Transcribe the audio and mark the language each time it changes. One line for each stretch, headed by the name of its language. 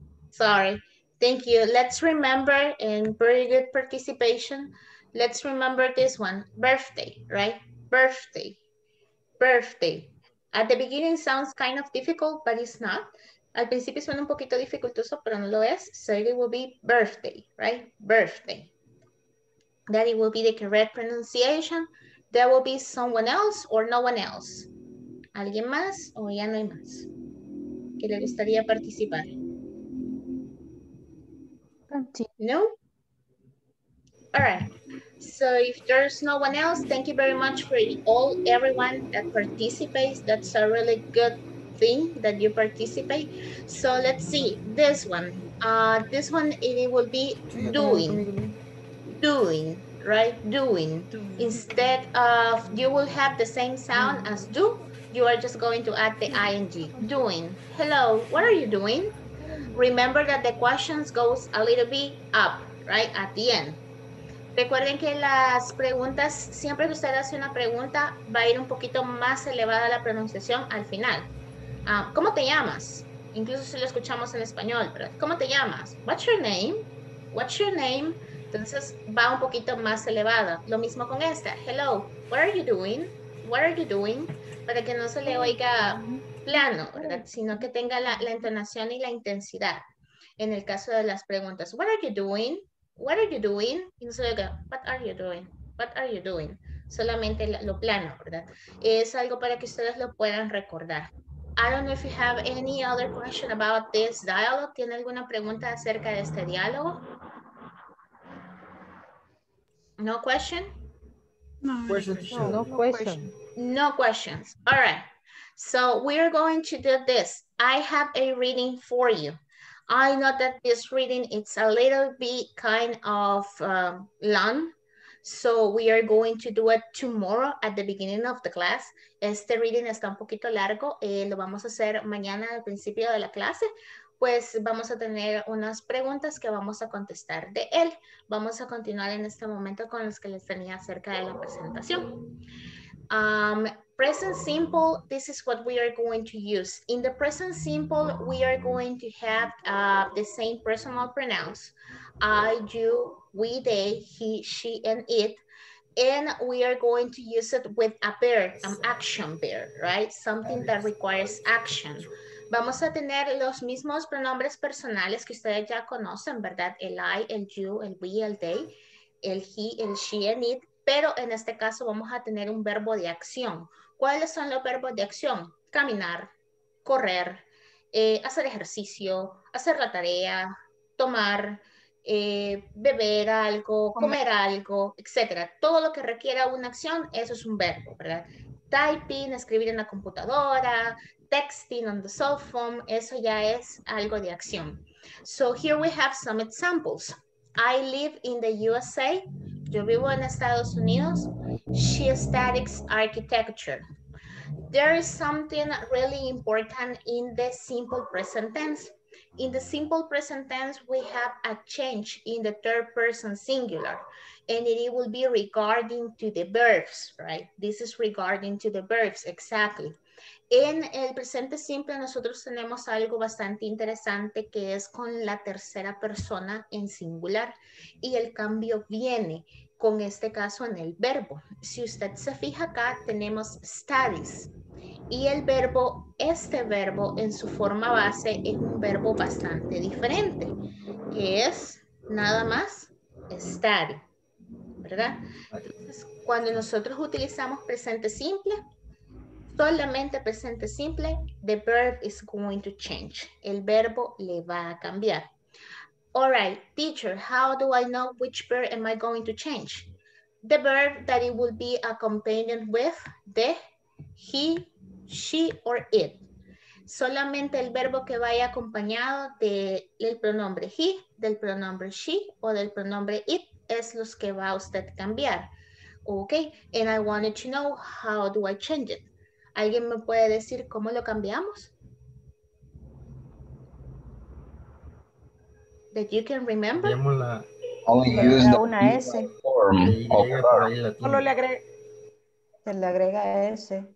English: Sorry. Thank you. Let's remember in very good participation. Let's remember this one, birthday, right? Birthday. At the beginning sounds kind of difficult, but it's not.
Spanish: Al principio suena un poquito dificultoso, pero no lo es.
English: So it will be birthday, right? Birthday. That it will be the correct pronunciation. There will be someone else or no one else.
Spanish: ¿Alguien más o ya no hay más? ¿Que le gustaría participar?
English: No? All right. So if there's no one else, thank you very much for everyone that participates. That's a really good thing that you participate. So let's see this one. This one, it will be doing. Doing, right? Doing. Instead of, you will have the same sound as do, you are just going to add the ing. Doing. Hello, what are you doing? Remember that the questions goes a little bit up, right? At the end.
Spanish: Recuerden que las preguntas, siempre que usted hace una pregunta, va a ir un poquito más elevada la pronunciación al final. ¿Cómo te llamas? Incluso si lo escuchamos en español, pero ¿cómo te llamas?
English: What's your name? What's your name?
Spanish: Entonces va un poquito más elevada. Lo mismo con esta.
English: Hello, what are you doing? What are you doing?
Spanish: Para que no se le oiga plano, ¿verdad? Sino que tenga la entonación y la intensidad. En el caso de las preguntas,
English: what are you doing? What are you doing?
Spanish: Y no se le oiga,
English: what are you doing?
Spanish: What are you doing? Solamente lo plano, ¿verdad? Es algo para que ustedes lo puedan recordar.
English: I don't know if you have any other question about this dialogue.
Spanish: ¿Tiene alguna pregunta acerca de este diálogo?
English: No question? No questions. All right. So we are going to do this. I have a reading for you. I know that this reading, it's a little bit kind of long. So we are going to do it tomorrow at the beginning of the class.
Spanish: Este reading está un poquito largo. Lo vamos a hacer mañana al principio de la clase. Pues vamos a tener unas preguntas que vamos a contestar de él. Vamos a continuar en este momento con los que les tenía acerca de la presentación.
English: Present simple, this is what we are going to use. In the present simple, we are going to have the same personal pronouns. I, you, we, they, he, she, and it. And we are going to use it with a verb, an action verb, right? Something that requires action.
Spanish: Vamos a tener los mismos pronombres personales que ustedes ya conocen, ¿verdad? El I, el you, el we, el they, el he, el she, and it. Pero en este caso vamos a tener un verbo de acción. ¿Cuáles son los verbos de acción? Caminar, correr, hacer ejercicio, hacer la tarea, tomar, beber algo, comer algo, etc. Todo lo que requiera una acción, eso es un verbo, ¿verdad? Typing, escribir en la computadora,
English: texting on the cell phone,
Spanish: eso ya es algo de acción.
English: So here we have some examples. I live in the USA.
Spanish: Yo vivo en Estados Unidos.
English: She studies architecture. There is something really important in the simple present tense. In the simple present tense, we have a change in the third person singular, and it will be regarding to the verbs, right? This is regarding to the verbs, exactly.
Spanish: En el presente simple, nosotros tenemos algo bastante interesante que es con la tercera persona en singular, y el cambio viene con este caso en el verbo. Si usted se fija acá, tenemos studies. Y el verbo, este verbo en su forma base es un verbo bastante diferente, que es nada más study, ¿verdad? Entonces, cuando nosotros utilizamos presente simple, solamente presente simple,
English: the verb is going to change.
Spanish: El verbo le va a cambiar.
English: All right, teacher, how do I know which verb am I going to change? The verb that it will be accompanied with, the, he, she, or it.
Spanish: Solamente el verbo que vaya acompañado del pronombre he, del pronombre she, o del pronombre it, es los que va usted a cambiar.
English: Okay, and I wanted to know, how do I change it?
Spanish: ¿Alguien me puede decir cómo lo cambiamos?
English: That you can remember? Only use the
Spanish: una S.
English: Form of her.
Spanish: Solo le agrega S.